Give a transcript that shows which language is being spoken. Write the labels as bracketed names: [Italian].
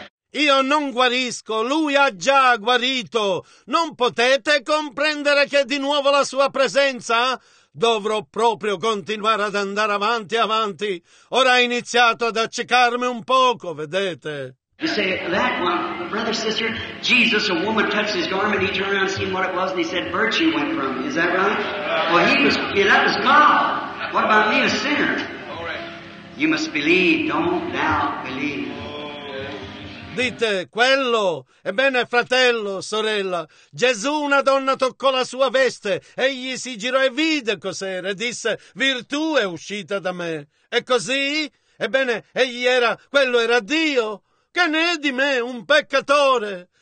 [Italian] Io non guarisco, lui ha già guarito. Non potete comprendere che di nuovo la sua presenza? Dovrò proprio continuare ad andare avanti e avanti. Ora ha iniziato ad accecarmi un poco, vedete. [English] You say, that one, brother, sister, Jesus, a woman touched his garment, he turned around and seen what it was, and he said, virtue went from him. Is that right? Well, that was God. What about me, a sinner? You must believe, don't doubt, believe. [Italian] Dite, quello? Ebbene, fratello, sorella, Gesù una donna toccò la sua veste, egli si girò e vide cos'era e disse, virtù è uscita da me. E così? Ebbene, egli era, quello era Dio? Che ne è di me, un peccatore?